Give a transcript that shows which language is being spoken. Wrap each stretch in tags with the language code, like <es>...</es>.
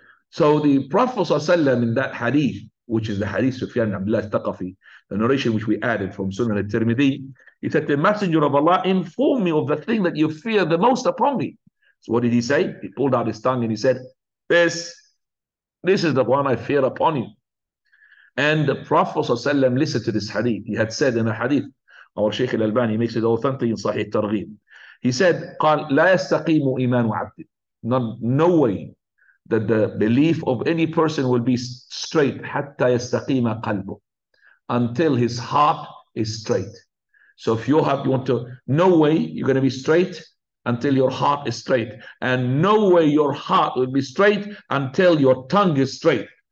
<en>So the Prophet ﷺ in that hadith, which is the hadith Sufyan ibn Abdullah al-Thaqafi, the narration which we added from Sunan al-Tirmidhi, he said, the messenger of Allah, inform me of the thing that you fear the most upon me. So what did he say? He pulled out his tongue and he said, this is the one I fear upon you. And the Prophet ﷺ listened to this hadith. He had said in a hadith, our Shaykh al-Albani makes it authentic in Sahih Targhim. He said,</en> <ar>قال, لا يستقيم إيمان عبد.</ar> <en>No way that the belief of any person will be straight,</en> <ar>حتى يستقيم قلبه,</ar> <en>until his heart is straight. So if you have, you want to, no way you're going to be straight until your heart is straight. And no way your heart will be straight until your tongue is straight.</en>